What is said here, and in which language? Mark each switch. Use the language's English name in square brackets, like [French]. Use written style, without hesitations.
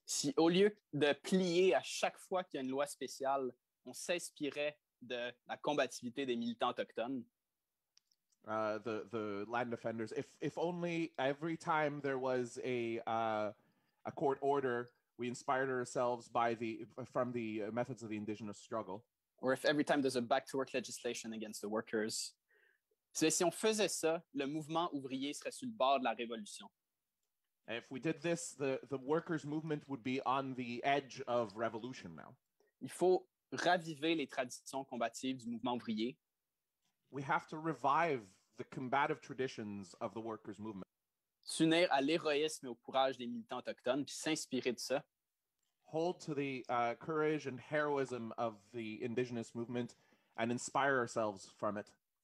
[French] Si au lieu de plier à chaque fois qu'il y a une loi spéciale, on s'inspirait de la combativité des militants autochtones. [English] The land defenders. If only every time there was a court order, we inspired ourselves by from the methods of the indigenous struggle. Or if every time there's a back to work legislation against the workers. [French] C'est si on faisait ça, le mouvement ouvrier serait sur le bord de la révolution. [English] And if we did this, the workers' movement would be on the edge of revolution now. [French] Il faut raviver les traditions combatives du mouvement ouvrier. [English] We have to revive the combative traditions of the workers' movement. [French] S'unir à l'héroïsme et au courage des militants autochtones, puis s'inspirer de ça. [English] Hold to the courage and heroism of the indigenous movement and inspire ourselves from it.